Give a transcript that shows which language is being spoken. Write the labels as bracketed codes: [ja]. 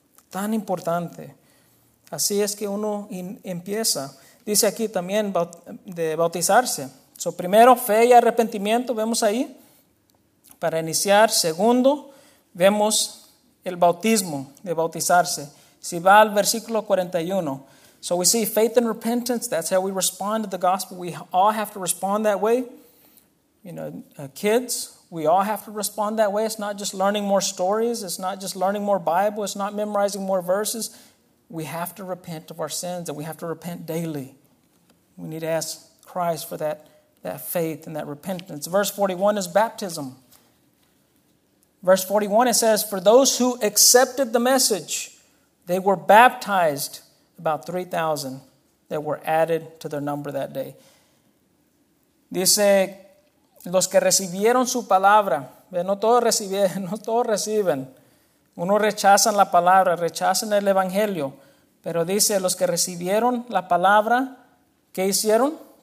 [es] Tan importante. Así es que uno empieza. Dice aquí también de bautizarse. So, primero, fe y arrepentimiento, vemos ahí. Para iniciar, segundo, vemos el bautismo, de bautizarse. Si va al versículo 41. [en] So we see faith and repentance, that's how we respond to the gospel. We all have to respond that way. You know, kids, we all have to respond that way. It's not just learning more stories. It's not just learning more Bible. It's not memorizing more verses. We have to repent of our sins, and we have to repent daily. We need to ask Christ for that faith and that repentance. Verse 41 is baptism. Verse 41, it says, for those who accepted the message, they were baptized, about 3,000 that were added to their number that day. [es] Dice, los que recibieron su palabra, no todos reciben. Uno rechazan la palabra, rechazan el evangelio. Pero dice, los que recibieron la palabra, ¿qué hicieron?